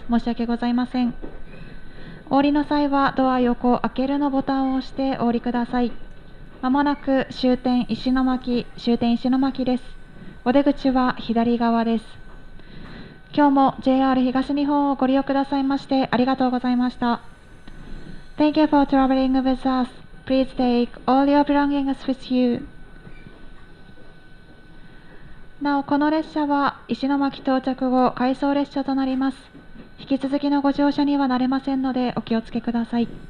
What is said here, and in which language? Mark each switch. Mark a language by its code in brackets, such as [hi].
[ja] 申し訳ございません。お降りの際はドア横開けるのボタンを押してお降りください。まもなく終点石巻、終点石巻です。お出口は左側です。今日も JR 東日本をご利用くださいましてありがとうございました。 [en] Thank you for traveling with us. Please take all your belongings with you. [ja] なお、この列車は石巻到着後、回送列車となります。引き続きのご乗車にはなれませんので、お気をつけください。